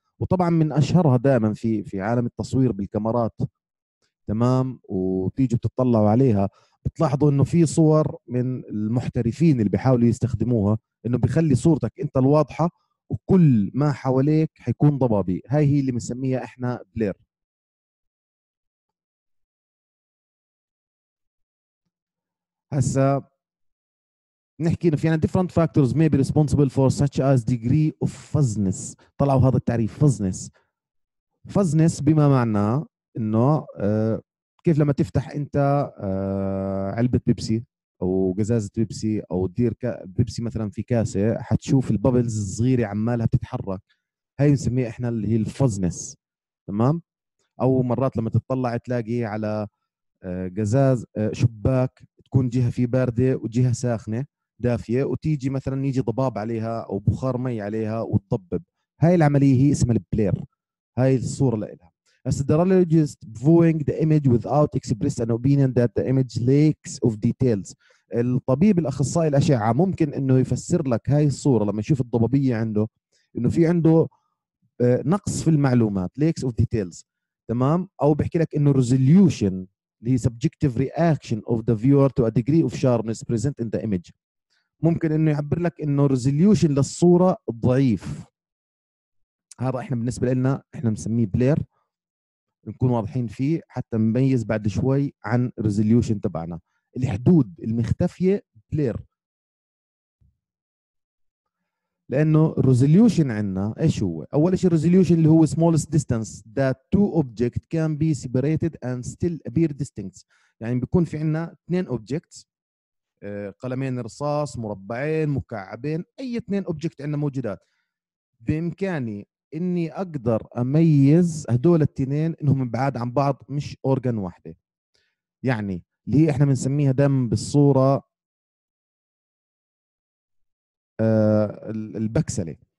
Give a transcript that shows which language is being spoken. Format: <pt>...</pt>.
<ar>وطبعاً من أشهرها دائماً في عالم التصوير بالكاميرات، تمام، وتيجي بتطلعوا عليها بتلاحظوا إنه في صور من المحترفين اللي بيحاولوا يستخدموها إنه بيخلي صورتك أنت الواضحة وكل ما حواليك حيكون ضبابي. هاي هي اللي بنسميها احنا بلير. هسا نحكي في يعني</ar> <en>different factors may be responsible for such as degree of fuzziness.</en> <ar>طلعوا هذا التعريف fuzziness. fuzziness بما معناه انه كيف لما تفتح انت علبة بيبسي او قزازة بيبسي او تدير بيبسي مثلا في كاسة حتشوف البابلز الصغيرة عمالها بتتحرك. هاي نسميها احنا اللي هي fuzziness. تمام؟ او مرات لما تطلع تلاقي على قزاز شباك تكون جهة فيه باردة وجهة ساخنة دافية وتيجي مثلا يجي ضباب عليها أو بخار مي عليها وتضبب. هاي العملية هي اسمها البلير. هاي الصورة لها.</ar> <en>As the radiologist viewing the image without expressing an opinion that the image lacks of details.</en> <ar>الطبيب الأخصائي الأشعة ممكن أنه يفسر لك هاي الصورة لما يشوف الضبابية عنده أنه في عنده نقص في المعلومات</ar> <en>lacks of details.</en> <ar>تمام؟ أو بحكي لك أنه</ar> <en>resolution the subjective reaction of the viewer to a degree of sharpness present in the image.</en> <ar>ممكن انه يعبر لك انه resolution للصورة ضعيف. هذا احنا بالنسبة لنا احنا نسميه blur. نكون واضحين فيه حتى نميز بعد شوي عن resolution تبعنا. الحدود المختفية blur.</ar> <en>لانه resolution</en> <ar>عنا ايش هو؟ اول شيء</ar> <en>resolution</en> <ar>اللي هو</ar> <en>smallest distance that two objects can be separated and still appear distinct.</en> <ar>يعني بيكون في عنا اثنين objects قلمين رصاص مربعين مكعبين اي اثنين اوبجكت عندنا موجودات بامكاني اني اقدر اميز هدول الاثنين انهم بعاد عن بعض مش اورجان واحده. يعني اللي احنا بنسميها دم بالصوره البكسله.</ar>